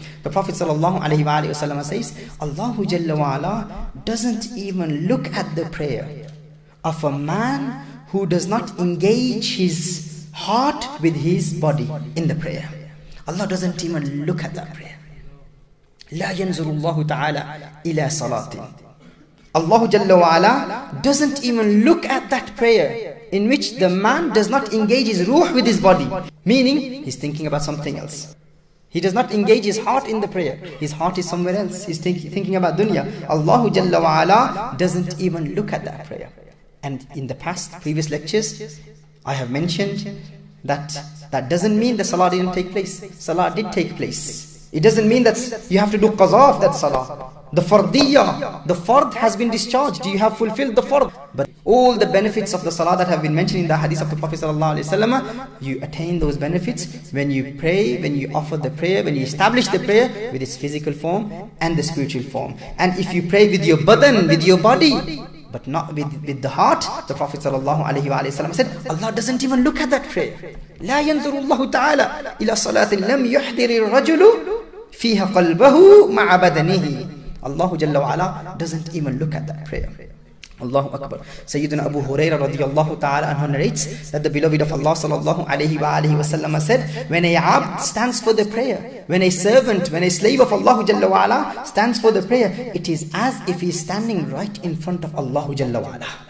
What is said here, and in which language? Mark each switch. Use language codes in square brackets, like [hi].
[en] The Prophet sallallahu alayhi wa alayhi wa sallam says, Allahu jalla wa ala doesn't even look at the prayer of a man who does not engage his heart with his body in the prayer. Allah doesn't even look at that prayer. [ar] لا ينظر الله تعالى إلى صلاة. [en] Allah [ar] جل وعلا [en] doesn't even look at that prayer in which the man does not engage his ruh with his body. Meaning, he's thinking about something else. He does not engage his heart in the prayer. His heart is somewhere else. He's thinking about dunya. Allah [ar] جل وعلا [en] doesn't even look at that prayer. And in the past, previous lectures, I have mentioned that that doesn't mean the salah didn't take place. Salah did take place. It doesn't mean that you have to do qaza of that salah. The fardiyya, the fard has been discharged. You have fulfilled the fard. But all the benefits of the salah that have been mentioned in the hadith of the Prophet sallallahu alaihi wasallam, you attain those benefits when you pray, when you offer the prayer, when you establish the prayer with its physical form and the spiritual form. And if you pray with your badan, with your body, but not with the heart, the Prophet sallallahu alaihi wasallam said, Allah doesn't even look at that prayer. [ar] لا ينظر الله تعالى إلى صلاة لم يحضر الرجل فيها قلبه مع بدنه. [en] Allah [ar] جل وعلا [en] doesn't even look at that prayer. Allahu Akbar. Sayyidina Abu Huraira radiyallahu ta'ala anhu narrates that the beloved of Allah sallallahu alayhi wa alayhi wa sallam said, when a abd stands for the prayer, when a servant, when a slave of Allah jalla wa ala stands for the prayer, it is as if he is standing right in front of Allah jalla wa ala.